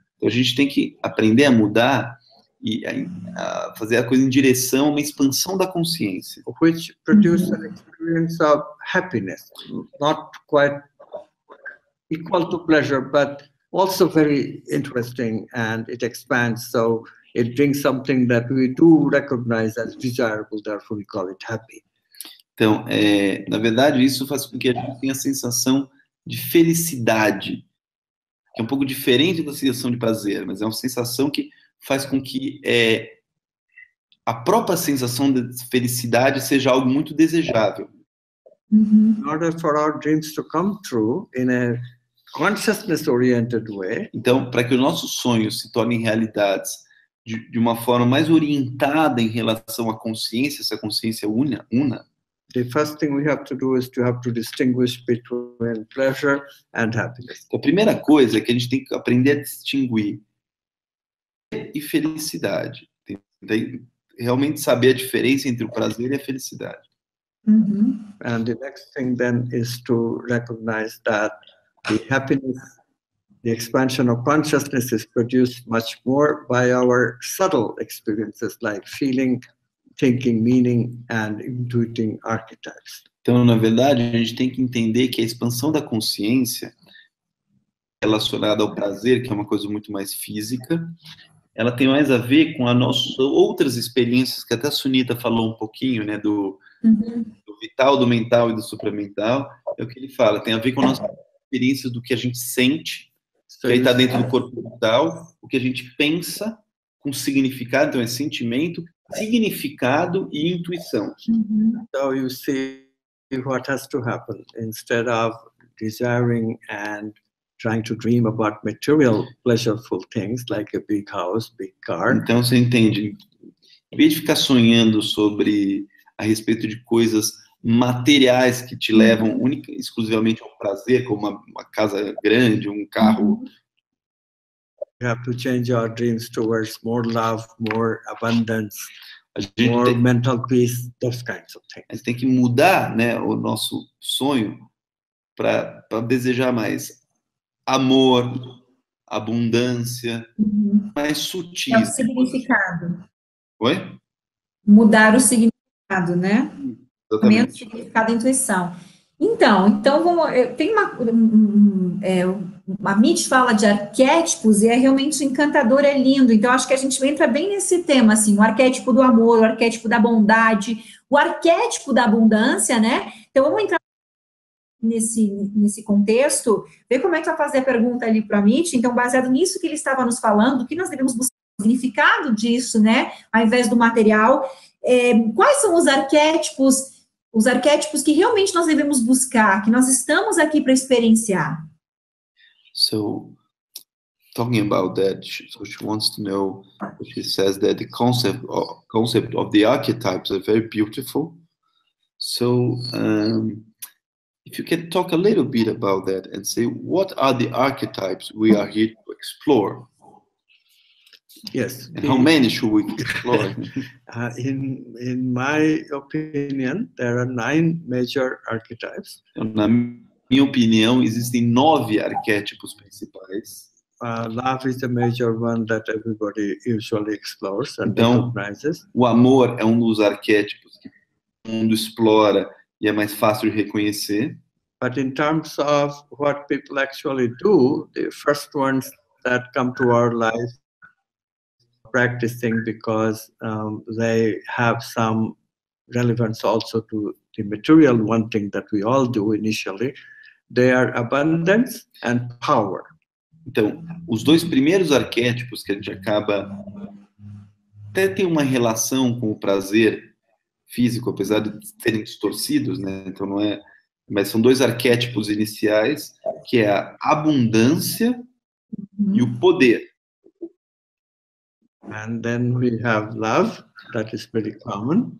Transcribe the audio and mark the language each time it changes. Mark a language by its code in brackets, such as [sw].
[pt] A gente tem que aprender a mudar e a fazer a coisa em direção a uma expansão da consciência. [en] Which produces an experience of happiness, not quite equal to pleasure, but also very interesting, and it expands, so it brings something that we do recognize as desirable, therefore we call it happy. [pt] Então, na verdade, isso faz com que a gente tenha a sensação de felicidade, que é um pouco diferente da sensação de prazer, mas é uma sensação que faz com que a própria sensação de felicidade seja algo muito desejável. [en] In order for our dreams to come true in a consciousness-oriented way. [pt] Então, para que os nossos sonhos se tornem realidades de uma forma mais orientada em relação à consciência, essa consciência una. [en] The first thing we have to do is to have to distinguish between pleasure and happiness. [pt] A primeira coisa é que a gente tem que aprender a distinguir prazer e felicidade. Tem realmente saber a diferença entre o prazer e a felicidade. Mm-hmm. [en] And the next thing then is to recognize that the happiness, the expansion of consciousness is produced much more by our subtle experiences like feeling, thinking, meaning, and intuiting archetypes. [pt] Então, na verdade, a gente tem que entender que a expansão da consciência relacionada ao prazer, que é uma coisa muito mais física, ela tem mais a ver com as nossas outras experiências, que até a Sunita falou um pouquinho, né, do vital, do mental e do supramental. É o que ele fala, tem a ver com a nossa experiência do que a gente sente, que aí está dentro do corpo vital, o que a gente pensa, com significado, então é sentimento, significado e intuição. [en] Então, you see what has to happen instead of desiring and trying to dream about material pleasureful things like a big house, big car. [pt] Então, você entende? Em vez de ficar sonhando sobre a respeito de coisas materiais que te levam única, exclusivamente ao prazer, como uma casa grande, um carro. [en] We have to change our dreams towards more love, more abundance, more mental peace, those kinds of things. [pt] A gente tem que mudar, né, o nosso sonho para desejar mais amor, abundância, mais sutil. É o significado. Oi? Mudar o significado, né? Exatamente. O significado e intuição. Então vamos, tem uma Mitch fala de arquétipos e é realmente encantador, é lindo. Então, acho que a gente entra bem nesse tema, assim, o arquétipo do amor, o arquétipo da bondade, o arquétipo da abundância, né? Então, vamos entrar nesse contexto, ver como é que vai fazer a pergunta ali para a Mitch. Então, baseado nisso que ele estava nos falando, o que nós devemos buscar o significado disso, né? Ao invés do material, quais são os arquétipos... Os arquétipos que realmente nós devemos buscar, que nós estamos aqui para experienciar. [en] So, talking about that, she wants to know, she says that the concept of the archetypes are very beautiful. So, if you can talk a little bit about that and say, what are the archetypes we are here to explore? Yes. And how many should we explore? in my opinion, there are 9 major archetypes. [pt] Na minha opinião, existem 9 arquétipos principais. [en] Love is the major one that everybody usually explores and recognizes. [pt] O amor é um dos arquétipos que o mundo explora e é mais fácil de reconhecer. [en] But in terms of what people actually do, the first ones that come to our life practicing because they have some relevance also to the material wanting that we all do initially, they are abundance and power. [pt] Então, os dois primeiros arquétipos que a gente acaba até tem uma relação com o prazer físico, apesar de terem distorcidos, né? Então não é, mas são dois arquétipos iniciais, que é a abundância e o poder. [en] And then we have love, that is very common.